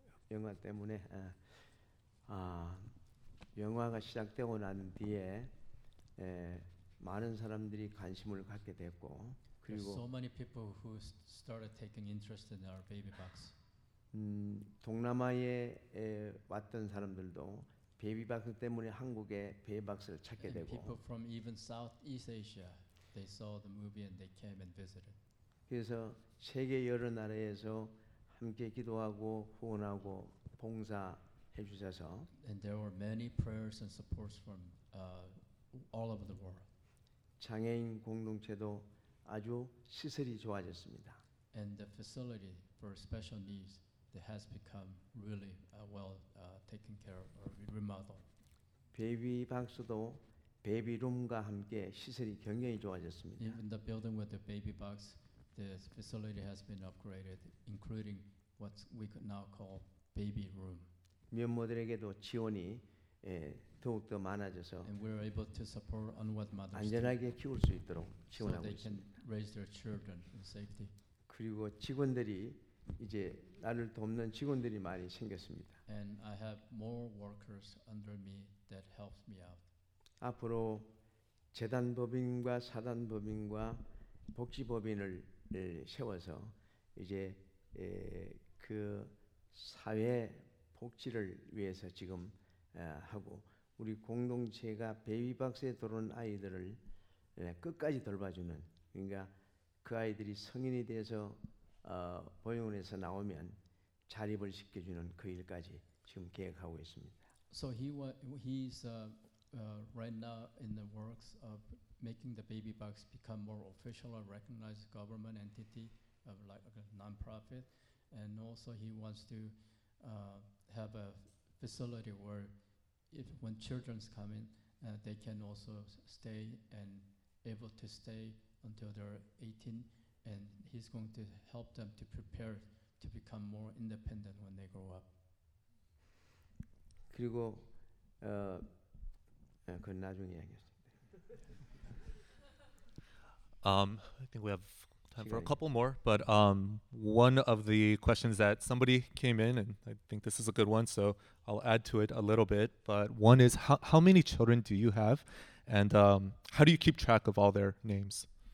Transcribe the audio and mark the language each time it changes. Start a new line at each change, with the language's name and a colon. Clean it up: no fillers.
Korean: 영화 때문에 영화가 시작되고 난 뒤에 많은 사람들이 관심을 갖게 됐고
English: There's so many people who started taking interest in our baby box.
Korean: 동남아에 왔던 사람들도 베이비 박스 때문에 한국에 베이비 박스를 찾게
English: and
Korean: 되고.
English: People from even Southeast Asia, they saw the movie and they came and visited.
Korean: 그래서 세계 여러 나라에서 함께 기도하고 후원하고 봉사해 주셔서.
English: And there were many prayers and supports from all over the world.
Korean: 장애인 공동체도 아주 시설이 좋아졌습니다.
English: And the facility for special needs that has become really well taken care of or remodeled.
Korean: 베이비 박스도 베이비 룸과 함께 시설이 굉장히 좋아졌습니다.
English: Even the building with the baby box, the facility has been upgraded, including what we could now call baby room.
Korean: 면모들에게도 지원이 더욱 더 많아져서
English: And we're able to support unwed mothers
Korean: 안전하게 키울 수 있도록 지원하고
English: so they
Korean: 있습니다.
English: Can raise their children in safety.
Korean: 그리고 직원들이 이제 나를 돕는 직원들이 많이 생겼습니다.
English: And I have more workers under me that helps me out.
Korean: 앞으로 재단 법인과 사단 법인과 복지 법인을 세워서 이제 그 사회 복지를 위해서 지금 하고 우리 공동체가 베이비 박스에 들어온 아이들을 끝까지 돌봐주는 그러니까 그 아이들이 성인이 돼서 보육원에서 나오면 자립을 시켜주는 그 일까지 지금 계획하고 있습니다.
English: So he's right now in the works of making the baby box become more official or recognized government entity of like a non-profit and also he wants to have a facility where if when children's come in they can also stay and able to stay until they're 18 and he's going to help them to prepare to become more independent when they grow up.
Korean: 그리고 그건 나중에 얘기하겠습니다.
English: I think we have time for a couple more, but one of the questions that somebody came in, and I think this is a good one, so I'll add to it a little bit, but one is, how many children do you have, and how do you keep track of all their names?